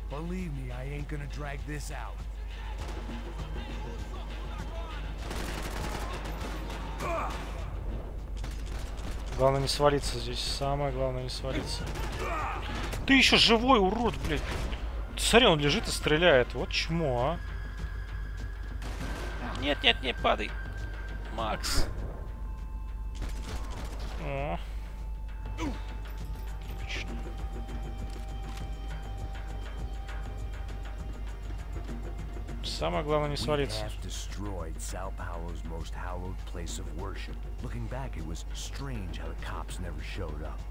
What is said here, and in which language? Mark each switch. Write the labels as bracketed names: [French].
[English] Believe me, I ain't gonna drag this out. [Russian] Главное не свалиться здесь. Самое главное не свалиться. Ты еще живой, урод, блядь. Смотри, он лежит и стреляет. Вот чмо, а. Нет, нет, не падай, Макс. О. Отлично. Самое главное не свалиться. [English] We have destroyed Sao Paulo's most hallowed place of worship. Looking back, it was strange how the cops never showed up.